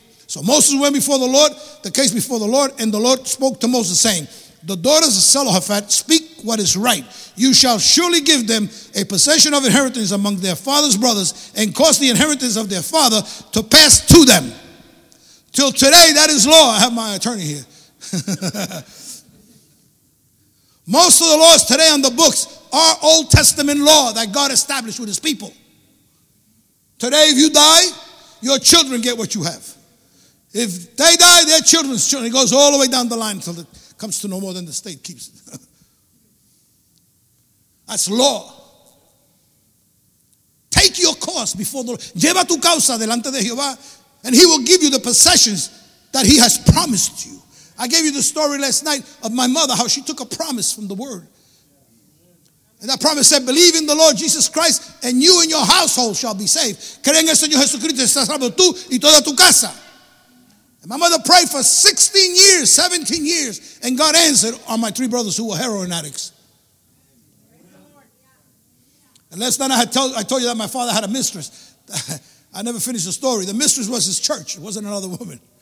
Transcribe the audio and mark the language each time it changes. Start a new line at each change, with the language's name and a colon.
English: So Moses went before the Lord, the case before the Lord, and the Lord spoke to Moses saying, the daughters of Zelophehad speak what is right. You shall surely give them a possession of inheritance among their father's brothers and cause the inheritance of their father to pass to them. Till today, that is law. I have my attorney here. Most of the laws today on the books are Old Testament law that God established with his people. Today, if you die, your children get what you have. If they die, their children's children. It goes all the way down the line until the comes to no more than the state keeps it. That's law. Take your cause before the Lord.
Spanish: Lleva tu causa delante de Jehová,
English: and he will give you the possessions that he has promised you. I gave you the story last night of my mother, how she took a promise from the word. And that promise said, believe in the Lord Jesus Christ, and you and your household shall be saved.
Spanish: Creen en el Señor Jesucristo, estás salvo tú y toda tu casa.
English: And my mother prayed for 16 years, 17 years, and God answered on my three brothers who were heroin addicts. And last night I told you that my father had a mistress. I never finished the story. The mistress was his church. It wasn't another woman.